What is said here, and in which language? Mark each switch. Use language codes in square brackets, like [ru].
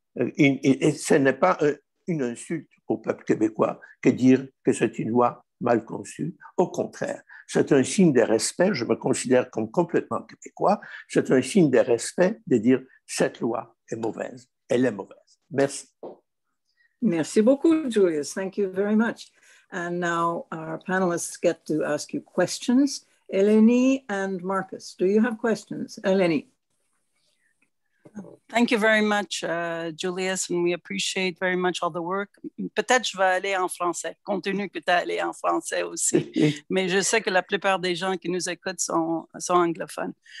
[fr] Et ce n'est pas une insulte au peuple québécois que dire que c'est une loi mal conçue. Au contraire, c'est un signe de respect. Je me considère comme complètement québécois. C'est un signe de respect de dire cette loi est mauvaise. Elle est mauvaise. Merci. [en] Merci beaucoup, Julius. Thank you very much. And now our panelists get to ask you questions. Eleni and Marcus, do you have questions? Eleni. Thank you very much, Julius, and we appreciate very much all the work. [fr] Peut-être je vais aller en français, compte tenu que tu es allé en français aussi. Mais je sais que la plupart des gens qui nous écoutent sont anglophones.